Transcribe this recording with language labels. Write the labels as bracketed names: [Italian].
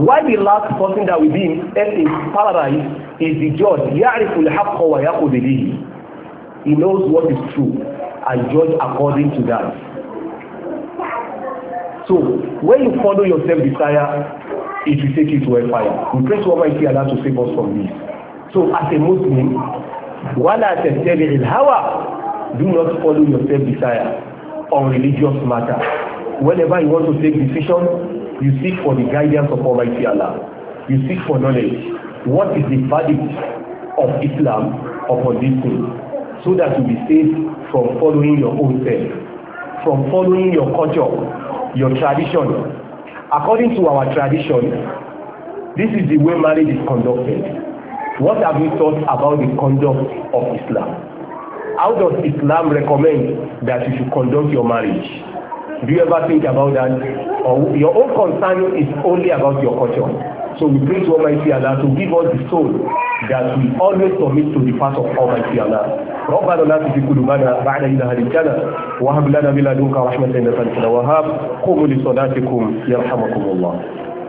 [English] Why the last person that will be in earth in paradise is the judge. [Arabic] يَعْرِفُ الْحَقَّ وَيَقُدِ لِهِ. [English] He knows what is true and judge according to that. So when you follow your self-desire, it will take you to a fire. We pray to Almighty Allah to save us from this. So as a Muslim, [Arabic] وَلَا تَتَّبِعِ الْهَوَى. [English] Do not follow your self-desire on religious matter. whenever you want to take decision, you seek for the guidance of Almighty Allah. You seek for knowledge. What is the verdict of Islam upon this thing? So that you be safe from following your own self, from following your culture, your tradition. According to our tradition, this is the way marriage is conducted. What have you thought about the conduct of Islam? How does Islam recommend that you should conduct your marriage? Do you ever think about that? Or your own concern is only about your culture. So we pray to Almighty Allah to give us the soul that we always submit to the path of Almighty Allah. [Arabic] ربنا لا تزغ قلوبنا بعد إذ هديتنا وهب لنا من لدنك رحمة إنك أنت الوهاب قوموا لصلاتكم يرحمكم الله